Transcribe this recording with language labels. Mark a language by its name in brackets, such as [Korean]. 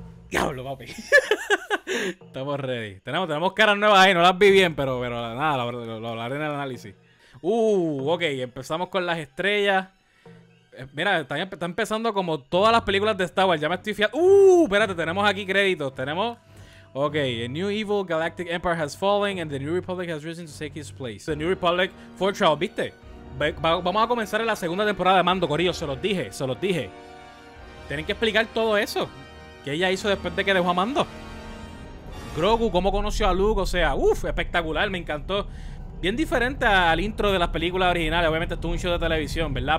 [Spanish] ¡Diablo, papi! Estamos ready. Tenemos caras nuevas ahí, no las vi bien, pero nada, lo hablaré en el análisis. Ok, empezamos con las estrellas. Mira, está empezando como todas las películas de Star Wars, ya me estoy fiando. Espérate, tenemos aquí créditos, tenemos... [English] Ok, a new evil galactic empire has fallen and the new republic has risen to take its place. The new republic for trial, [Spanish] ¿viste? Vamos a comenzar en la segunda temporada de Mando, corillo, se los dije. Tienen que explicar todo eso. ¿Qué ella hizo después de que dejó a Mando? Grogu, ¿cómo conoció a Luke? O sea, espectacular, me encantó. Bien diferente al intro de las películas originales. Obviamente esto es un show de televisión, ¿verdad?